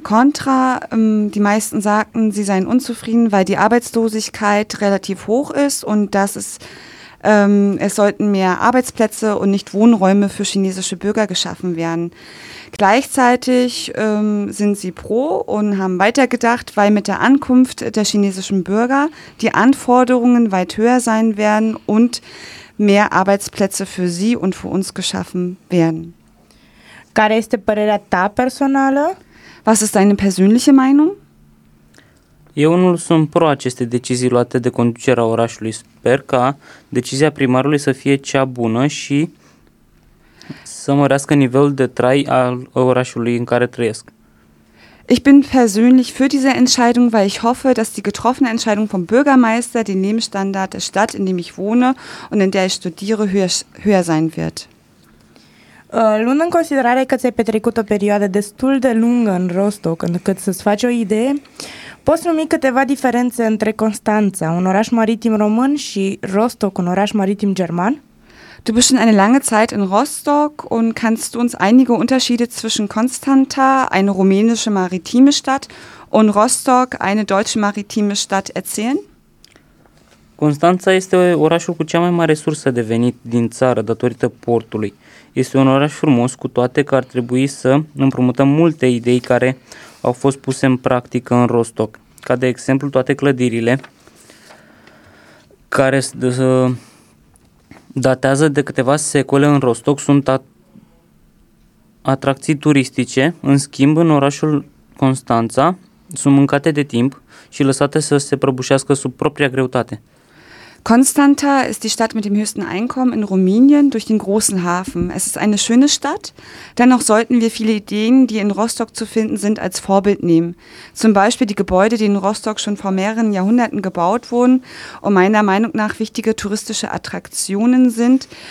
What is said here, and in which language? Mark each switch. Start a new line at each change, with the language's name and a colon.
German: Contra, die meisten sagten, sie seien unzufrieden, weil die Arbeitslosigkeit relativ hoch ist und dass es sollten mehr Arbeitsplätze und nicht Wohnräume für chinesische Bürger geschaffen werden. Gleichzeitig sind sie pro und haben weitergedacht, weil mit der Ankunft der chinesischen Bürger die Anforderungen weit höher sein werden und mehr Arbeitsplätze für sie und für uns geschaffen werden.
Romanian: Care este părerea ta personală?
German: Was ist deine persönliche Meinung?
Romanian: Eu nu sunt pro aceste decizii luate de conducerea orașului. Sper ca decizia primarului să fie cea bună și să mărească nivelul de trai al orașului în care trăiesc.
German: Ich bin persönlich für diese Entscheidung, weil ich hoffe, dass die getroffene Entscheidung vom Bürgermeister den Lebensstandard der Stadt, in dem ich wohne und in der ich studiere, höher sein wird.
Romanian: Luând în considerare că ți-ai petrecut o perioadă destul de lungă în Rostock, încât să-ți faci o idee, poți numi câteva diferențe între Constanța, un oraș maritim român, și Rostock, un oraș maritim german?
German: Du bist schon eine lange Zeit in Rostock und kannst du uns einige Unterschiede zwischen Constanța, eine rumänische maritime Stadt, und Rostock, eine deutsche maritime Stadt, erzählen?
Romanian: Constanța este orașul cu cea mai mare sursă de venit din țară datorită portului. Este un oraș frumos, cu toate că ar trebui să împrumutăm multe idei care au fost puse în practică în Rostock, ca de exemplu toate clădirile care datează de câteva secole în Rostock, sunt atracții turistice. În schimb, în orașul Constanța sunt mâncate de timp și lăsate să se prăbușească sub propria greutate.
German: Constanța
Romanian: este
German: Stadt mit dem höchsten Einkommen in Rumänien durch den großen Hafen. Es ist eine schöne Stadt. Dennoch sollten wir viele Ideen, die in Rostock zu finden sind, als Vorbild nehmen. Zum Beispiel die Gebäude, die in Rostock schon vor mehreren Jahrhunderten gebaut wurden und meiner Meinung nach wichtige touristische Attraktionen sind.